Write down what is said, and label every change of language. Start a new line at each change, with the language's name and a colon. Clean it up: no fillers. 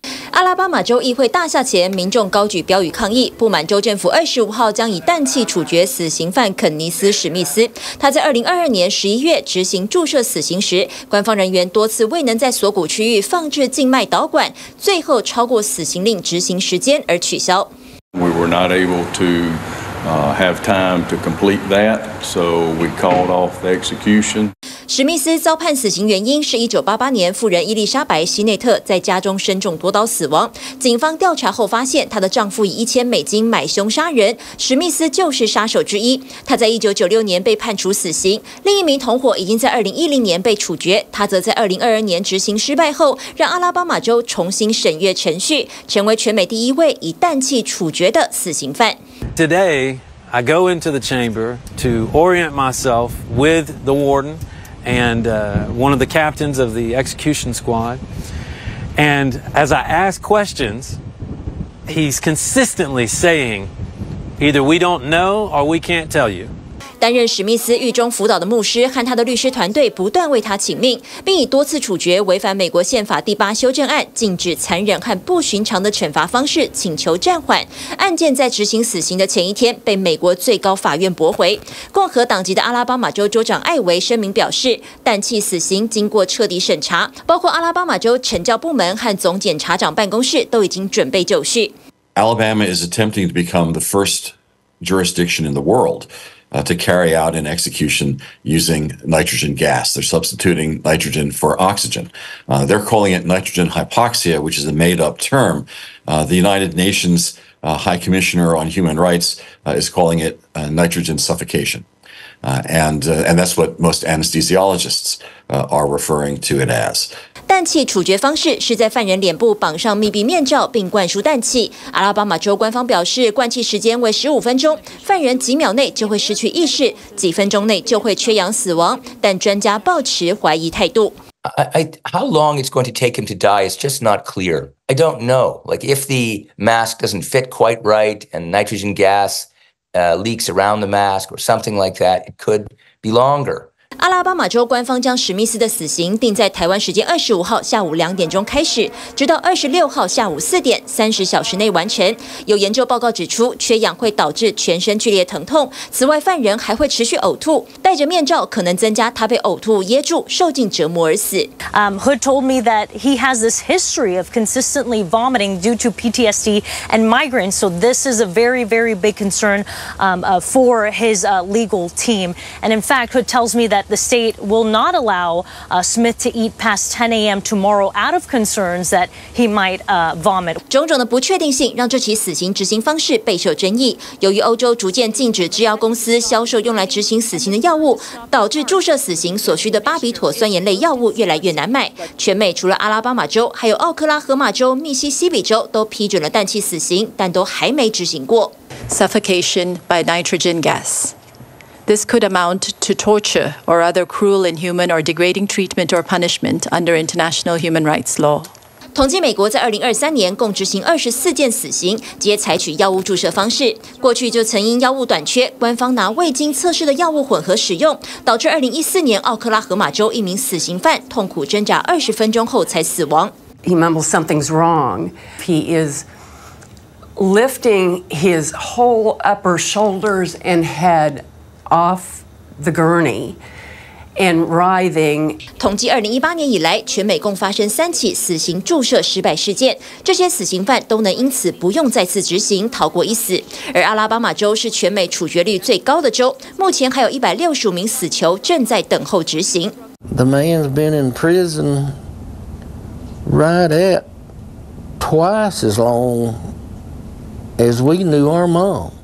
Chinese: 阿拉巴马州议会大厦前，民众高举标语抗议，不满州政府25号将以氮气处决死刑犯肯尼斯·史密斯。他在2022年11月执行注射死刑时，官方人员多次未能在锁骨区域放置静脉导管，最后超过死刑令执行时间而取消。
English: We were not able to have time to complete that, so we called off the execution.
Chinese: 史密斯遭判死刑原因是1988年妇人伊丽莎白·希内特在家中身中夺刀死亡。警方调查后发现，她的丈夫以$1000买凶杀人，史密斯就是杀手之一。他在1996年被判处死刑，另一名同伙已经在2010年被处决，他则在2022年执行失败后，让阿拉巴马州重新审阅程序，成为全美第一位以氮气处决的死刑犯。
English: Today, I go into the chamber to orient myself with the warden. And one of the captains of the execution squad. And as I ask questions, he's consistently saying, either we don't know or we can't tell you.
Chinese: 担任史密斯狱中辅导的牧师和他的律师团队不断为他请命，并以多次处决违反美国宪法第八修正案禁止残忍和不寻常的惩罚方式请求暂缓。案件在执行死刑的前一天被美国最高法院驳回。共和党籍的阿拉巴马州州长艾维声明表示，氮气死刑经过彻底审查，包括阿拉巴马州惩教部门和总检察长办公室都已经准备就绪。
English: Alabama is attempting to become the first jurisdiction in the world. To carry out an execution using nitrogen gas. They're substituting nitrogen for oxygen. They're calling it nitrogen hypoxia, which is a made-up term. The United Nations High Commissioner on Human Rights is calling it nitrogen suffocation. And that's what most anesthesiologists are referring to it as.
Chinese: 氮气处决方式是在犯人脸部绑上密闭面罩并灌输氮气。阿拉巴马州官方表示，灌气时间为15分钟，犯人几秒内就会失去意识，几分钟内就会缺氧死亡。但专家抱持怀疑态度。
English: How long it's going to take him to die is just not clear. I don't know. Like if the mask doesn't fit quite right and nitrogen gas leaks around the mask or something like that, it could be longer.
Chinese: 阿拉巴马州官方将史密斯的死刑定在台湾时间25号下午2点开始，直到26号下午4点，30小时内完成。有研究报告指出，缺氧会导致全身剧烈疼痛，此外犯人还会持续呕吐，戴着面罩可能增加他被呕吐噎住受尽折磨而死。
English: Hood told me that he has this history of consistently vomiting due to PTSD and migraines, so this is a very, very big concern for his legal team. And in fact, Hood tells me that the state will not allow Smith to eat past 10 a.m. tomorrow out of concerns that he might vomit.
Chinese: 种种的不确定性让这起死刑执行方式备受争议。由于欧洲逐渐禁止制药公司销售用来执行死刑的药物，导致注射死刑所需的巴比妥酸盐类药物越来越难买。全美除了阿拉巴马州，还有奥克拉荷马州、密西西比州都批准了氮气死刑，但都还没执行过。
English: Suffocation by nitrogen gas. This could amount to torture or other cruel, inhuman, or degrading treatment or punishment under international human rights law.
Chinese: 统计美国在2023年共执行24件死刑，皆采取药物注射方式。过去就曾因药物短缺，官方拿未经测试的药物混合使用，导致2014年奥克拉荷马州一名死刑犯痛苦挣扎20分钟后才死亡。
English: He mumbles something's wrong. He is lifting his whole upper shoulders and head off the gurney. And writhing.
Chinese: 统计2018年以来，全美共发生三起死刑注射失败事件，这些死刑犯都能因此不用再次执行，逃过一死。而阿拉巴马州是全美处决率最高的州，目前还有165名死囚正在等候执行。
English: The man's been in prison right at twice as long as we knew our mom.